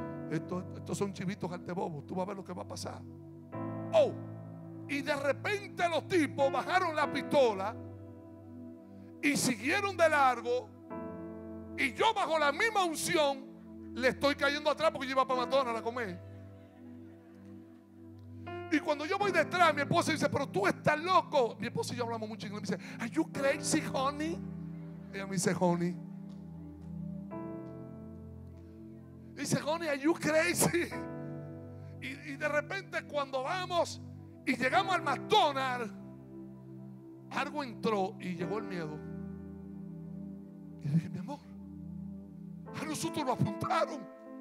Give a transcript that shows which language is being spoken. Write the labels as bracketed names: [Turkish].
[Spanish] Estos son chivitos altebobos, tú vas a ver lo que va a pasar. Oh, y de repente los tipos bajaron la pistola y siguieron de largo, y yo bajo la misma unción le estoy cayendo atrás porque yo iba para McDonald's a comer. Y cuando yo voy detrás, mi esposa dice: pero tú estás loco. Mi esposa y yo hablamos mucho inglés. Me dice: [English] are you crazy, honey? [Spanish] Ella me dice: honey. Y dice: [English] honey, are you crazy? [Spanish] Y de repente, cuando vamos y llegamos al McDonald's, algo entró y llegó el miedo. Y dije: mi amor, a nosotros lo apuntaron.